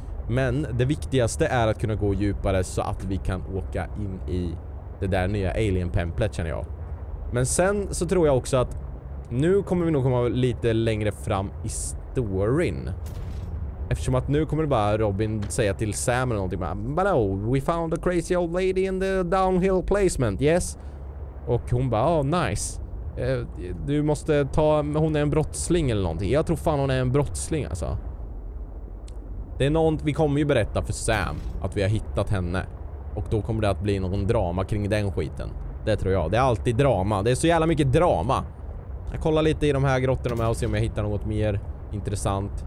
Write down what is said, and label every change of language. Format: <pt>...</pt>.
<sv>Men det viktigaste är att kunna gå djupare så att vi kan åka in i det där nya alien-templet, känner jag. Men sen så tror jag också att nu kommer vi nog komma lite längre fram i storyn. Eftersom att nu kommer det bara Robin säga till Sam eller någonting.</sv> <en>Bara, we found a crazy old lady in the downhill placement, yes.</en> <sv>Och hon bara,</sv> <en>oh, nice.</en> <sv>Du måste ta, hon är en brottsling eller någonting. Jag tror fan hon är en brottsling alltså. Det är någon, vi kommer ju berätta för Sam att vi har hittat henne. Och då kommer det att bli någon drama kring den skiten. Det tror jag. Det är alltid drama. Det är så jävla mycket drama. Jag kollar lite i de här grottorna med och ser om jag hittar något mer intressant.</sv>